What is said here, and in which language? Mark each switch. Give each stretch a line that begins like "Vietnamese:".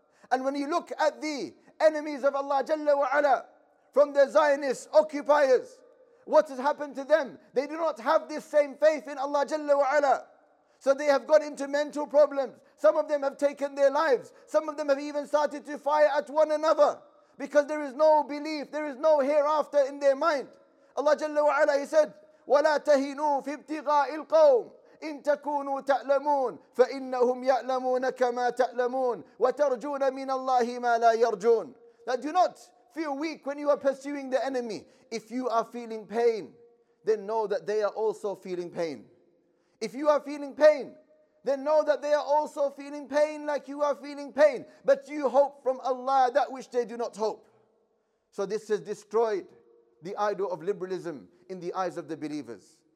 English: And when you look at the enemies of Allah Jalla wa Ala, from the Zionist occupiers, what has happened to them? They do not have this same faith in Allah Jalla wa Ala. So they have got into mental problems. Some of them have taken their lives. Some of them have even started to fire at one another, because there is no belief, there is no hereafter in their mind.
Arabic: Allah Jalla wa Ala,
English: he said,
Arabic: وَلَا تَهِنُوا فِي ابْتِغَاءِ الْقَوْمِ إِن تَكُونُوا تَأْلَمُونَ فَإِنَّهُمْ يَأْلَمُونَ كَمَا تَأْلَمُونَ وَتَرْجُونَ مِنَ اللَّهِ مَا لَا يَرْجُونَ.
English: Now do not feel weak when you are pursuing the enemy. If you are feeling pain, then know that they are also feeling pain. If you are feeling pain, then know that they are also feeling pain like you are feeling pain. But you hope from Allah that which they do not hope. So this has destroyed the idol of liberalism in the eyes of the believers.